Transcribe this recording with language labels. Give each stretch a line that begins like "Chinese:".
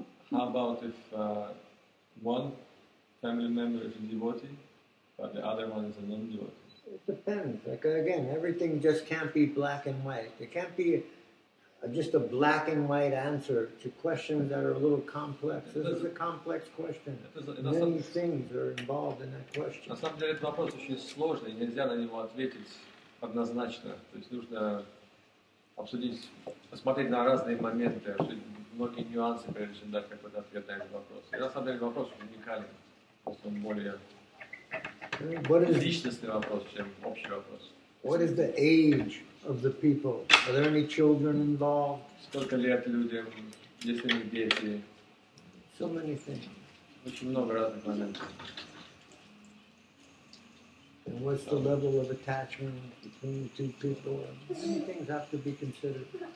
English: How about if one family member is a devotee, but the other one is a non-devotee? It depends. Like, again, everything just can't be black and white. It can't be just a black and white answer to questions that are a little complex. This is a complex question. Many things are involved in that question.
Russian: На самом деле этот вопрос очень сложный, нельзя на него ответить однозначно. То есть нужно обсудить, посмотреть на разные моменты, многие нюансы, прежде чем дать какой-то ответ на этот вопрос. И на самом деле вопрос уникален, просто более личностный вопрос, чем общий вопрос.
English: What is the age of the people? Are there any children involved?
Russian: Сколько лет людям, есть ли у них дети?
English: So many things.
Russian: Очень много разных моментов.
English: And what's the level of attachment between the two people? Many things have to be considered.